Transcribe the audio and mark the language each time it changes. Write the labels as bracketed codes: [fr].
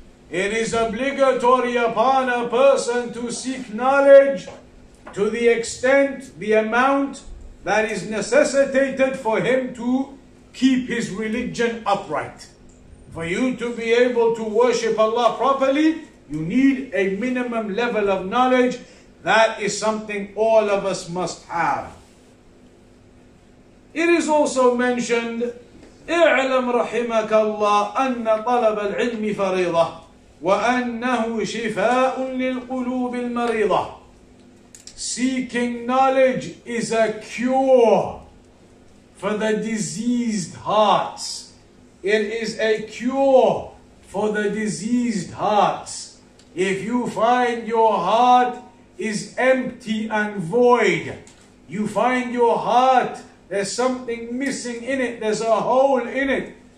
[en] It is obligatory upon a person to seek knowledge to the extent, the amount that is necessitated for him to keep his religion upright. For you to be able to worship Allah properly, you need a minimum level of knowledge. That is something all of us must have. It is also mentioned, [ar] اعلم رحمك الله أن طلب العلم فريضة وأنه شفاء للقلوب المريضة. [en] Seeking knowledge is a cure for the diseased hearts. It is a cure for the diseased hearts. If you find your heart is empty and void, you find your heart, there's something missing in it, there's a hole in it.